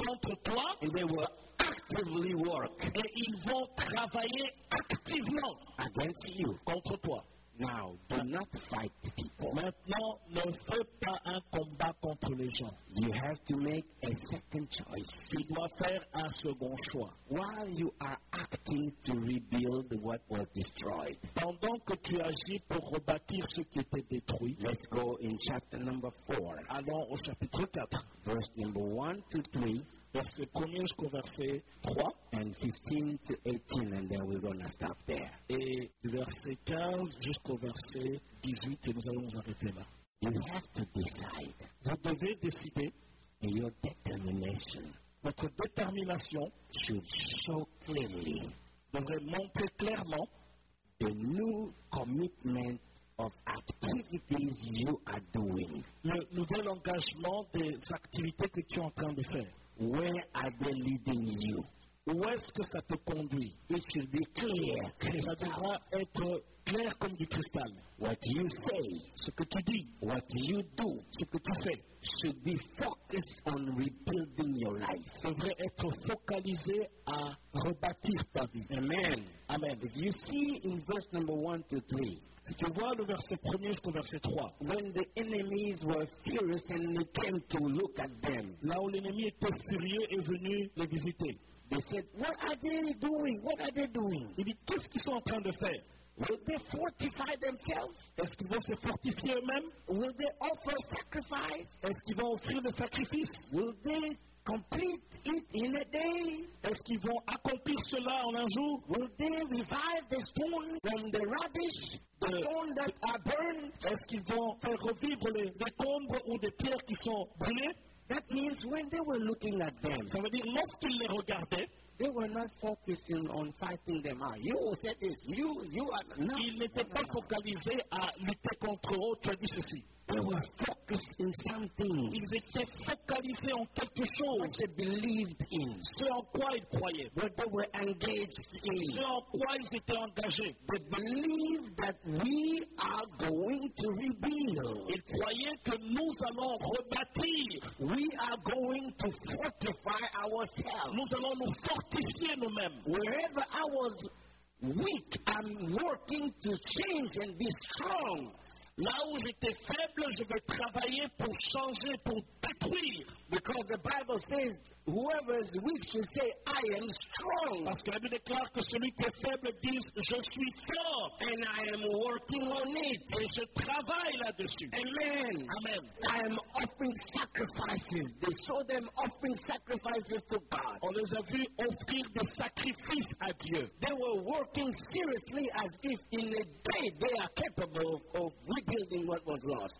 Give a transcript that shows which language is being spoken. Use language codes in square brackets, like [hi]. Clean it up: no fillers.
[fr] contre toi, [en] and they will actively work, [fr] et ils vont travailler activement [en] against you, [fr] contre toi. [en] Now, do not fight people. [fr] Maintenant, ne fais pas un combat contre les gens. [en] You have to make a second choice. [fr] Tu dois faire un second choix. [en] While you are acting to rebuild what was destroyed. [fr] Pendant que tu agis pour rebâtir ce qui était détruit. [en] Let's go in chapter number 4. [fr] Allons au chapitre 4. [en] Verse number 1 to 3. [fr] Verset 1 jusqu'au verset 3. [en] And 15 to 18, and then we're going to stop there. [fr] Et verset 15 jusqu'au verset 18, et nous allons nous arrêter là. [en] You have to decide. [fr] Vous devez décider. [en] And your determination. [fr] Votre détermination. [en] Should show clearly. [fr] Devrait montrer clairement. [en] The new commitment of activities you are doing. [fr] Le nouvel engagement des activités que tu es en train de faire. [en] Where are they leading you? [fr] Où est-ce que ça te conduit? [en] It should be clear. [fr] Ça devra être clair comme du cristal. [en] What you say, [fr] ce que tu dis, [en] what you do, [fr] ce que tu fais, [en] should be focused on rebuilding your life. [fr] Devrait être focalisé à rebâtir ta vie. [en] Amen. [fr] Amen. [en] If you see in verse number 1-3, [fr] si tu vois le verset 1 jusqu'au verset 3. [en] When the enemies were furious and came to look at them. [fr] Là où l'ennemi était furieux et venu les visiter. [en] They said, what are they doing? What are they doing? [fr] Il dit, qu'est-ce qu'ils sont en train de faire? [en] Will they fortify themselves? [fr] Est-ce qu'ils vont se fortifier eux-mêmes? [en] Will they offer sacrifice? [fr] Est-ce qu'ils vont offrir des sacrifices? [en] Will they complete it in a day? [fr] Est-ce qu'ils vont accomplir cela en un jour? [en] Will they revive the stone from the rubbish? The stone that are burned? [fr] Est-ce qu'ils vont faire revivre les décombres ou des pierres qui sont brûlées? [en] That means when they were looking at them. [fr] Ça veut dire lorsqu'ils les regardaient. [en] They were not focusing on fighting them. You said this. You are not. [fr] Ils n'étaient pas focalisés à lutter contre eux. Tu as dit ceci. [en] They were focused in something. [fr] Ils étaient focalisés en quelque chose. [en] They believed in. [fr] Ce en quoi ils croyaient. [en] What they were engaged in. [fr] Ce en quoi ils étaient engagés. [en] They believed that we are going to rebuild. [fr] Ils croyaient que nous allons rebâtir. [en] We are going to fortify ourselves. [fr] Nous allons nous fortifier nous-mêmes. [en] Wherever I was weak, I'm working to change and be strong. [fr] Là où j'étais faible, je vais travailler pour changer, pour détruire. [en] Because the Bible says, whoever is weak should say, I am strong. [fr] Parce que la Bible déclare que celui qui est faible dise, je suis fort. [en] And I am working on it. [fr] Et je travaille là-dessus. [en] Amen. [fr] Amen. [en] I am offering sacrifices. They saw them offering sacrifices to God. [fr] On les a vus offrir des sacrifices à Dieu. [en] They were working seriously as if in a day they are capable of rebuilding what was lost.